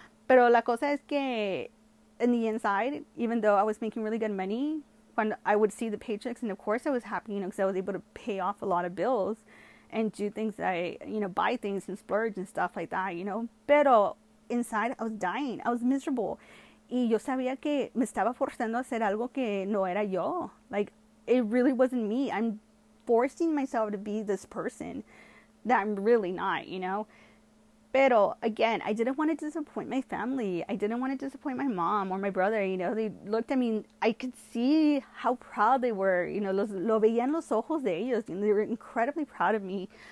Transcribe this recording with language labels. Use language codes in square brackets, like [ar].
[es] Pero la cosa es que [en] in the inside, even though I was making really good money, when I would see the paychecks, and of course I was happy, you know, because I was able to pay off a lot of bills and do things you know, buy things and splurge and stuff like that, you know. Pero inside, I was dying. I was miserable. [es] Y yo sabía que me estaba forzando a hacer algo que no era yo. [en] Like, it really wasn't me. I'm forcing myself to be this person that I'm really not, you know. Pero again, I didn't want to disappoint my family. I didn't want to disappoint my mom or my brother. They looked at me. I could see how proud they were. [es] Lo veían los ojos de ellos. [en] And they were incredibly proud of me.